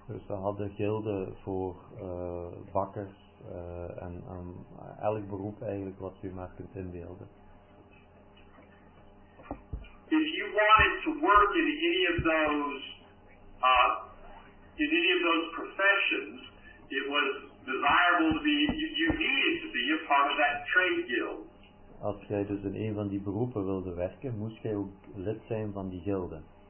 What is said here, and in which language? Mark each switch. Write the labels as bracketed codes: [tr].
[nl] Dus ze hadden gilden voor bakkers en elk beroep eigenlijk wat u maar kunt inbeelden. [en] If you wanted to work in any of those professions, it was desirable to be, you needed to be a part of that trade guild. [nl] Als jij dus in een van die beroepen wilde werken, moest jij ook lid zijn van die gilden.